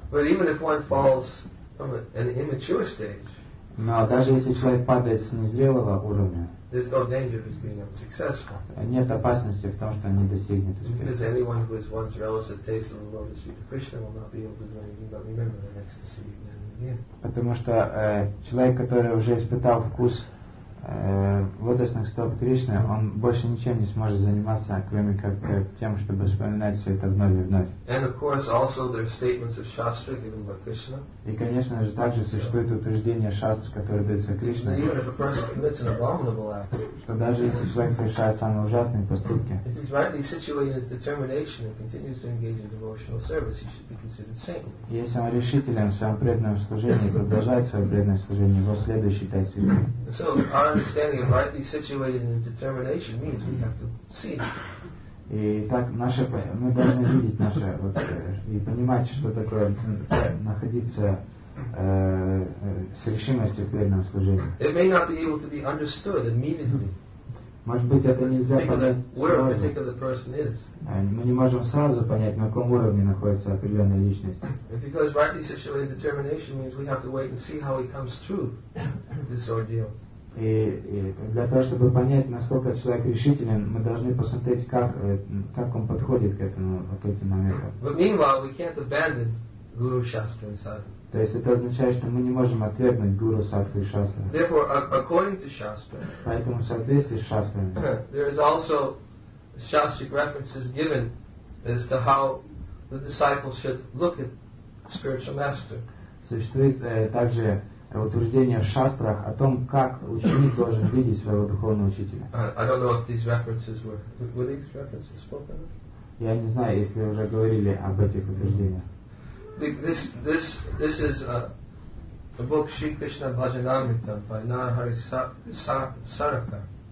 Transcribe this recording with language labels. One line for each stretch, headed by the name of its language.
English: But even if one falls from an immature stage,
Russian: но даже если человек падает с незрелого уровня,
English: there's no danger of his being unsuccessful.
Russian: Нет опасности в том, что он не достигнет успеха.
English: Because anyone who has once relished the taste of the lotus feet of Krishna will not be able to do anything but remember the ecstasy again and again.
Russian: Потому что человек, который уже испытал вкус лотосных стоп Кришны, он больше ничем не сможет заниматься, кроме как тем, чтобы вспоминать все это вновь и вновь.
English: And of course also there are statements of Shastra given by Krishna.
Russian: И конечно же также существует утверждение Шастры, которое дается Кришне.
English: Even if a person commits an abominable act,
Russian: что даже если человек совершает самые ужасные поступки,
English: if he's rightly situated in his determination and continues to engage in devotional service, he should be considered saintly.
Russian: Если он решителен в своем преданном служении и продолжает свое преданное служение, его следует считать святым.
English: Our understanding of rightly situated in determination means we have to see.
Russian: И так наше, мы должны видеть наше вот и понимать, что такое находиться с решимостью в преданном служении.
English: It may not be able to be understood immediately.
Russian: Может быть, это нельзя понять сразу.
English: Where a particular person is.
Russian: Мы не можем сразу понять, на каком уровне находится определенная личность.
English: Because rightly situated determination means we have to wait and see how he comes through this ordeal.
Russian: И для того, чтобы понять, насколько человек решителен, мы должны посмотреть, как он подходит к этому, к этим моментам.
English: But meanwhile, we can't abandon Guru, Shastra and Sadhu.
Russian: То есть это означает, что мы не можем отвергнуть Гуру, Садху и Шастру.
English: Therefore, according to Shastra,
Russian: поэтому в соответствии с Шастрами,
English: there is also Shastric references given as to how the disciples should look at spiritual master.
Russian: Существует также утверждение в шастрах о том, как ученик должен видеть своего духовного учителя.
English: I don't know if these references were these references spoken.
Russian: Я не знаю, если уже говорили об этих утверждениях.
English: This is a book Shri Krishna Bhajanamrita by Narahari Saraka.